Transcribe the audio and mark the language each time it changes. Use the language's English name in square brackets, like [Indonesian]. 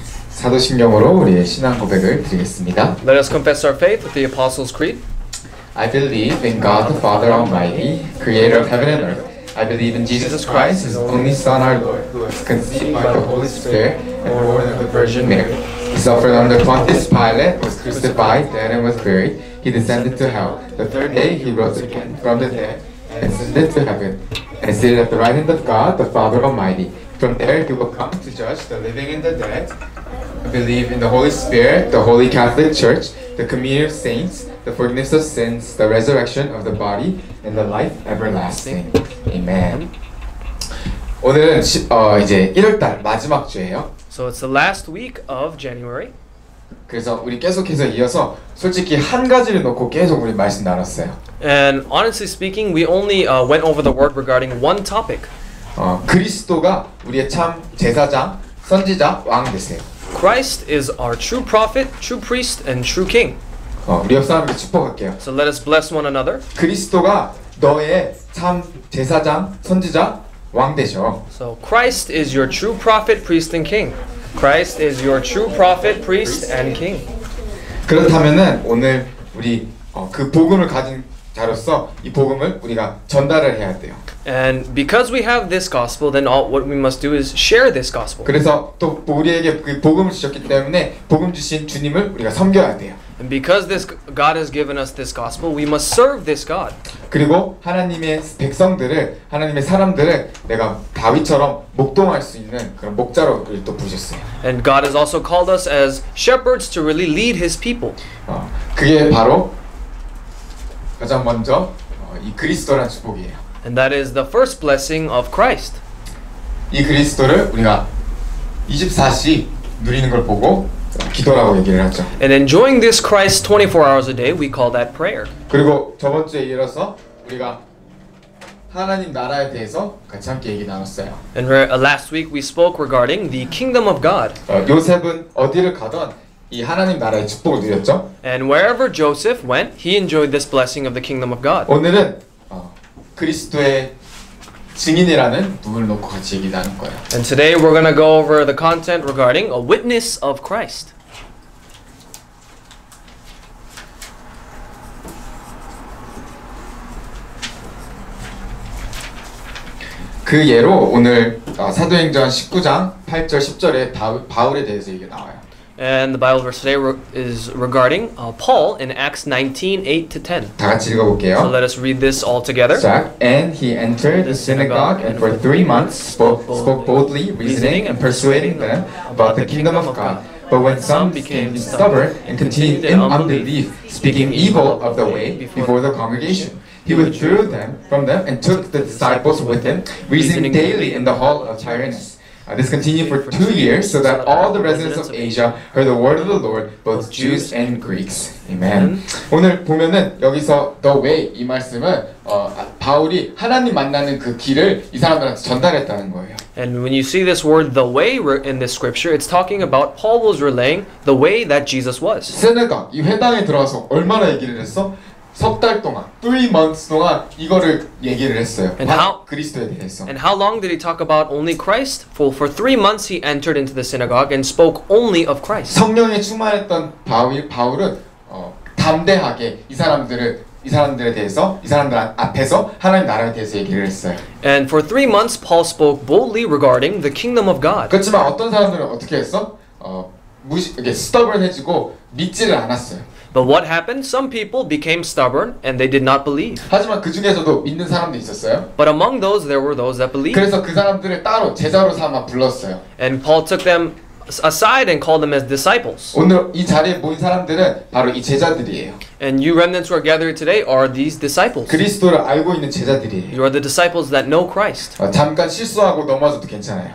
[Korean] 사도신경으로 우리의 신앙 고백을 드리겠습니다. [English] Let us confess our faith with the Apostles' Creed. I believe in God the Father Almighty, Creator of heaven and earth. I believe in Jesus Christ, His only Son, our Lord, who was conceived by the Holy Spirit and born of the Virgin Mary. He suffered under Pontius Pilate, was crucified, dead, and was buried. He descended to hell. The third day He rose again from the dead and ascended to heaven, and is seated at the right hand of God the Father Almighty. From there He will come to judge the living and the dead. I believe in the Holy Spirit, the Holy Catholic Church, the communion of saints, the forgiveness of sins, the resurrection of the body, and the life everlasting. Amen. [Korean] 오늘은 이제 1월달 마지막 주예요. [English] So it's the last week of January. [Korean] 그래서 우리 계속해서 이어서 솔직히 한 가지를 놓고 계속 우리 말씀 나눴어요. [English] And honestly speaking, we only went over the word regarding one topic. [Korean] 그리스도가 우리의 참 제사장, 선지자, 왕 되세요. [English] Christ is our true prophet, true priest, and true king. [Korean] 우리 옆 사람을 축복할게요. [English] So let us bless one another. [Korean] 그리스도가 너의 참 제사장, 선지자, 왕 되셔. [English] So Christ is your true prophet, priest, and king. Christ is your true prophet, priest, and king. [Korean] 그렇다면은 오늘 우리 그 복음을 가진 자로서 이 복음을 우리가 전달을 해야 돼요. [English] And because we have this gospel, then all what we must do is share this gospel. [Korean] 그래서 또 우리에게 그 복음을 주셨기 때문에 복음 주신 주님을 우리가 섬겨야 돼요. [English] And because this God has given us this gospel, we must serve this God. [Korean] 그리고 하나님의 백성들을 하나님의 사람들을 내가 다윗처럼 목동할 수 있는 그런 목자로 또 부르셨어요. [English] And God has also called us as shepherds to really lead His people. [Korean] 그게 바로 가장 먼저 이 그리스도란 축복이에요. [English] And that is the first blessing of Christ. [Korean] 이 그리스도를 우리가 24시 누리는 걸 보고 기도라고 얘기를 하죠. [English] And enjoying this Christ 24 hours a day, we call that prayer. [Korean] 그리고 저번 주에 이어서 우리가 하나님 나라에 대해서 같이 함께 얘기 나눴어요. [English] And last week we spoke regarding the kingdom of God. [Korean] 요셉은 어디를 가던 이 하나님 나라의 축복을 누렸죠. [English] And wherever Joseph went, he enjoyed this blessing of the kingdom of God. [Korean] 오늘은 그리스도의 증인이라는 부분을 놓고 같이 얘기 나눌 거예요. [English] And today we're going to go over the content regarding a witness of Christ. [Korean] 그 예로 오늘 사도행전 19장 8절 10절에 바울에 대해서 얘기 나와요. [English] And the Bible verse today is regarding Paul in Acts 19:8-10. [Korean] 다 같이 읽어볼게요. [English] So let us read this all together. [Korean] 시작. [English] And he entered the synagogue and for 3 months spoke boldly, reasoning and persuading them about the kingdom of God. But when some became stubborn and continued in unbelief, speaking evil of the way before the congregation, he withdrew them from them and took the disciples with him, reasoning daily in the hall of Tyrannus. This continued for 2 years, so that all the residents of Asia heard the word of the Lord, both Jews and Greeks. Amen. [Korean] 오늘 보면은 여기서 [English] the way [Korean] 이 말씀은 바울이 하나님 만나는 그 길을 이 사람들한테 전달했다는 거예요. [English] And when you see this word the way in this scripture, it's talking about Paul was relaying the way that Jesus was. [Korean] 세네강 이 회당에 들어와서 얼마나 얘기를 했어? 석 달 동안, [English] 3 months [Korean] 동안 이거를 얘기를 했어요. 그리스도에 대해서. [English] And how long did he talk about only Christ? For 3 months he entered into the synagogue and spoke only of Christ. [Korean] 성령에 충만했던 바울은 담대하게 이 사람들에 대해서 이 사람들 앞에서 하나님 나라에 대해서 얘기를 했어요. [English] And for 3 months Paul spoke boldly regarding the kingdom of God. [Korean] 그렇지만 어떤 사람들은 어떻게 했어? 이렇게 stubborn해지고 믿지를 않았어요. [English] But what happened? Some people became stubborn and they did not believe. [Korean] 하지만 그 중에서도 믿는 사람도 있었어요. [English] But among those, there were those that believed. [Korean] 그래서 그 사람들을 따로 제자로 삼아 불렀어요. [English] And Paul took them aside and called them as disciples. [Korean] 오늘 이 자리에 모인 사람들은 바로 이 제자들이에요. [English] And you remnants who are gathered today are these disciples. [Korean] 그리스도를 알고 있는 제자들이에요. [English] You are the disciples that know Christ. [Korean] 잠깐 실수하고 넘어져도 괜찮아요.